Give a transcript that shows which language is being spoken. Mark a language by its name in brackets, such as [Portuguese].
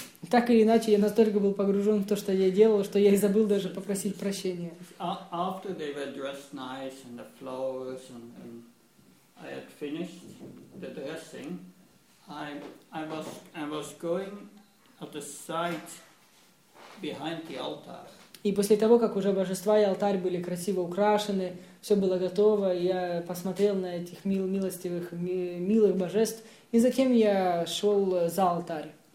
[Russian] Так или иначе, я настолько был погружен в то, что я делал, что я и забыл даже попросить прощения. [English] After they were dressed nice and the flowers and I had finished the dressing, I was going at the side behind the altar. [Russian] И после того, как уже божества и алтарь были красиво украшены, все было готово, я посмотрел на этих милых божеств, и затем я шел за алтарь.